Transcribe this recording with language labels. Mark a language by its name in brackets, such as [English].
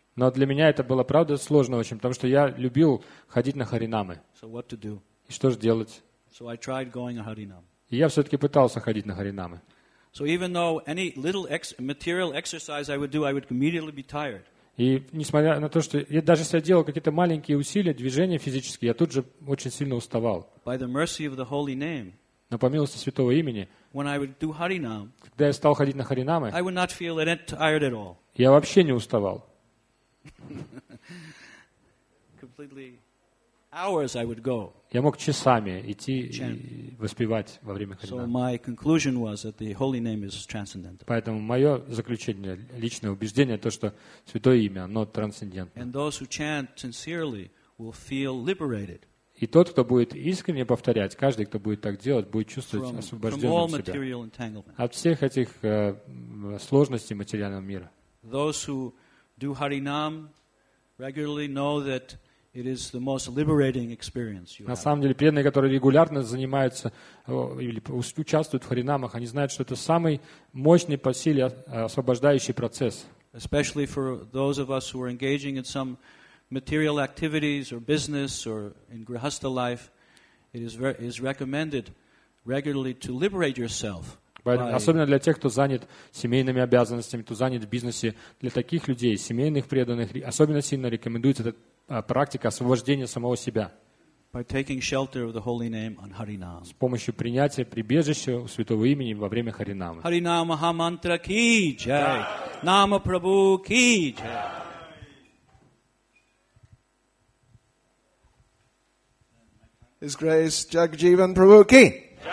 [Russian] Но для меня это было, правда, сложно очень, потому что я любил ходить на Харинамы. [English] So what to do? [Russian] И что же делать? [English] So I tried going to Harinam. [Russian] И я все-таки пытался ходить на Харинамы. [English] So even though any little material exercise I would do, I would immediately be tired. [Russian] И несмотря на то, что я, даже если я делал какие-то маленькие усилия, движения физические, я тут же очень сильно уставал. [English] By the mercy of the holy name. [Russian] Но по милости святого имени. [English] When I would do Harinam. [Russian] Когда я стал ходить на Харинамы. [English] I would not feel any tired at all. [Russian] Я вообще не уставал. [English] Completely. Hours I would go. [Russian] Я мог часами идти и воспевать во время Харинам. [English] So my conclusion was that the holy name is transcendental. [Russian] Поэтому мое заключение, личное убеждение, то, что святое имя, оно трансцендентно. [English] And those who chant sincerely will feel liberated. [Russian] И тот, кто будет искренне повторять, каждый, кто будет так делать, будет чувствовать освобожденным себя от всех этих сложностей материального мира. [English] Those who do Harinam regularly know that it is the most liberating experience you have. [Russian] На самом деле, преданные, которые регулярно занимаются или участвуют в харинамах, они знают, что это самый мощный по силе освобождающий процесс. [English] Especially for those of us who are engaging in some material activities or business or in grihastha life, it is recommended regularly to liberate yourself. [Russian] Особенно для тех, кто занят семейными обязанностями, кто занят в бизнесе, для таких людей, семейных преданных, особенно сильно рекомендуется этот практика освобождения самого себя. [English] By taking shelter of the holy name on Harinam. [Russian] С помощью принятия прибежища у святого имени во время Харинама. [Hindi] Харинам Махамантра ки джай. Нама Прабху ки джай. [English] His Grace Jagjivan Prabhu ki.